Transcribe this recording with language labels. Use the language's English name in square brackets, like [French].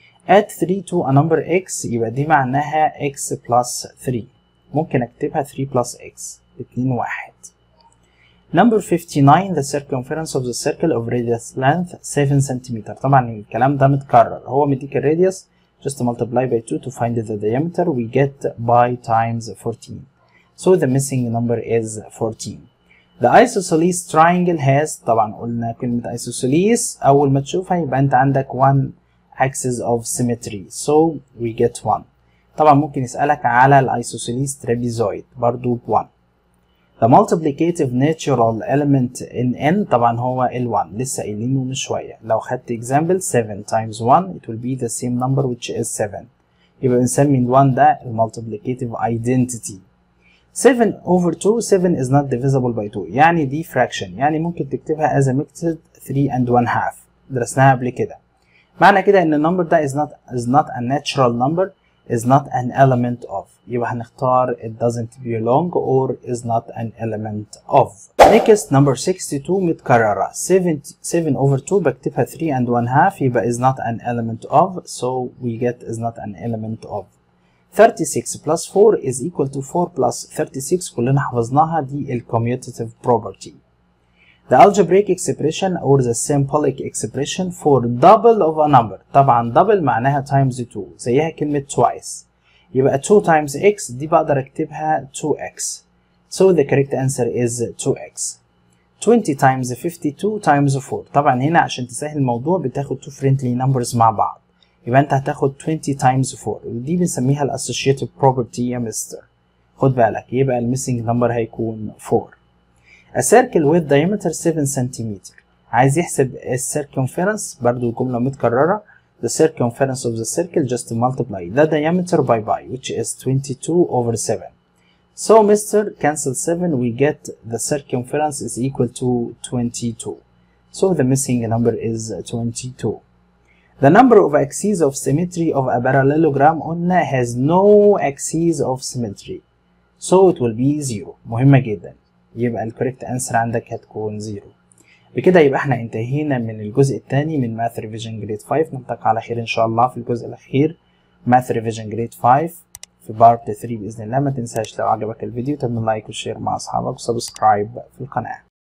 [English] Add 3 to a number x [Arabic] يبقى دي معناها [English] x plus 3. [Arabic] ممكن اكتبها [English] 3 plus x 2 1. Number 59, the circumference of the circle of radius length 7 cm. [Arabic] طبعا الكلام ده متكرر. هو مديك الراديوس, [English] just multiply by 2 to find the diameter, we get by times 14. So the missing number is 14. The isosceles triangle has, [Arabic] طبعا قلنا كلمة isosceles, أول ما تشوفها يبقى أنت عندك 1 [English] axis of symmetry. So we get 1. [Arabic] طبعا ممكن يسألك على الايسوسيليس trapezoid برضو 1. [English] The multiplicative natural element in n [Arabic] طبعا هو ال1 لسه قايلين من شويه. لو خدت [English] example 7 times 1 it will be the same number which is 7. [Arabic] يبقى بنسمي ال1 ده المultiplicative identity. [English] 7 over 2, 7 is not divisible by 2, [Arabic] يعني دي [English] fraction, [Arabic] يعني ممكن تكتبها [English] as a mixed 3 and 1 half, [Arabic] درسناها قبل كده. معنى كده ان النمبر ده [English] is not a natural number, is not an element of. [Arabic] يبقى هنختار [English] it doesn't belong or is not an element of. Next number 62 [Arabic] متكررة. [English] 7 over 2 [Arabic] بكتبها [English] 3 and 1 half يبقى is not an element of. So we get is not an element of. 36 plus 4 is equal to 4 plus 36 [Arabic] كلنا حفظناها, دي الكوميوتيف بروبرتي. [English] The algebraic expression or the symbolic expression for double of a number. [Arabic] طبعا double معناها [English] times 2 [Arabic] زيها كلمة twice. يبقى 2 times x دي بقدر اكتبها 2x. [English] So the correct answer is 2x. 20 times 52 times 4. [Arabic] طبعا هنا عشان تسهل الموضوع بتاخد [English] 2 friendly numbers [Arabic] مع بعض. يبقى انت هتاخد 20 times 4. ودي بنسميها الassociative property يا مستر. خد بالك يبقى الميسنج نمبر هيكون 4. [English] A circle with diameter 7 cm. [Arabic] عايز يحسب circumference, برضو الجملة متكررة. [English] The circumference of the circle just multiply the diameter by which is 22 over 7. So mister cancel 7, we get the circumference is equal to 22. So the missing number is 22. The number of axes of symmetry of a parallelogram قلنا has no axes of symmetry. So it will be 0. [Arabic] مهمة جدا. يبقى الكوريكت انسر عندك هتكون 0. بكده يبقى احنا انتهينا من الجزء الثاني من Math Revision Grade 5. نلتقي على خير ان شاء الله في الجزء الاخير Math Revision Grade 5 في Part 3 باذن الله. ما تنساش لو عجبك الفيديو تعمل لايك وشير مع اصحابك وسبسكرايب في القناه.